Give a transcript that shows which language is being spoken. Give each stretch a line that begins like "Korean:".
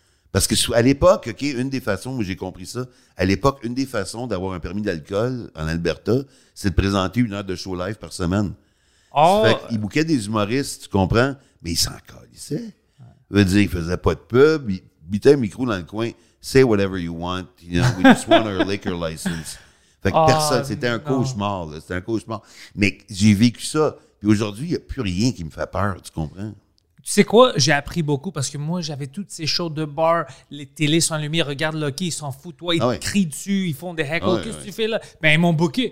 French: Parce que à l'époque, OK, une des façons où j'ai compris ça, à l'époque, une des façons d'avoir un permis d'alcool en Alberta, c'est de présenter une heure de show live par semaine. Oh. Ils bookaient des humoristes, tu comprends, mais ils s'en calissaient. Je veux dire, ils ne faisaient pas de pub, ils mettaient un micro dans le coin.
English: Say whatever you want, you know, we just want our liquor license.
French: Fait que personne, c'était un cauchemar, là. C'était un cauchemar. Mais j'ai vécu ça. Puis aujourd'hui, il n'y a plus rien qui me fait peur, tu comprends? Tu sais quoi? J'ai appris beaucoup parce que moi, j'avais toutes ces shows de bar, les télés sans lumière, regarde Loki, ils s'en foutent, toi, ils crient dessus, ils font des heckles. Qu'est-ce que tu fais là? Ben, ils m'ont booké.